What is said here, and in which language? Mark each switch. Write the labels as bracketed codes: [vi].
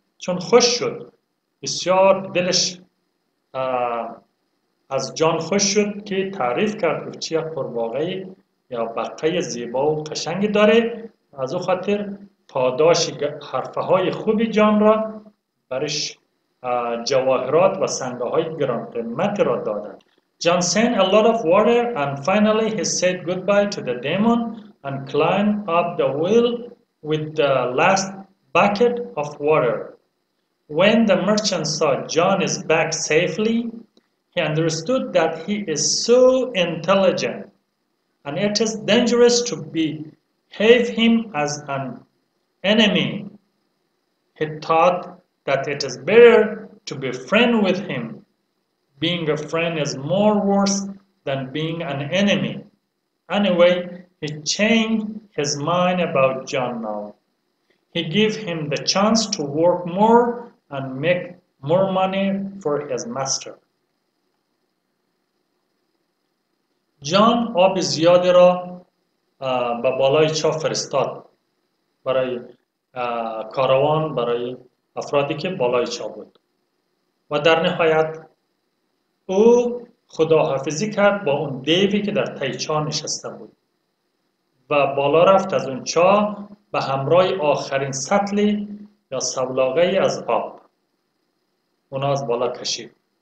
[fa] چون خوش شد، بسیار دلش از جان خوش شد که تعریف کرد که چیه قورباغه یا بقه زیبا و قشنگ داره. از او خاطر پاداش حرفه های خوب جان را برش جواهرات و سنگه های گران قیمت را دادن. [en] John seen a lot of water and finally he said goodbye to the demon and climbed up the wheel with the last bucket of water. When the merchant saw John is back safely, he understood that he is so intelligent and it is dangerous to behave him as an enemy. He thought that it is better to be friend with him. Being a friend is more worse than being an enemy. Anyway, he changed his mind about John now. He gave him the chance to work more and make more money for his master. [fa] جان آب زیادی را به بالای چاه فرستاد برای کاروان، برای افرادی که بالای چاه بود، و در نهایت او خداحافظی کرد با اون دیوی که در تای چاه نشسته بود و بالا رفت از اون چاه به همراه آخرین سطلی یا سبلاغه از آب، اونا از بالا کشید.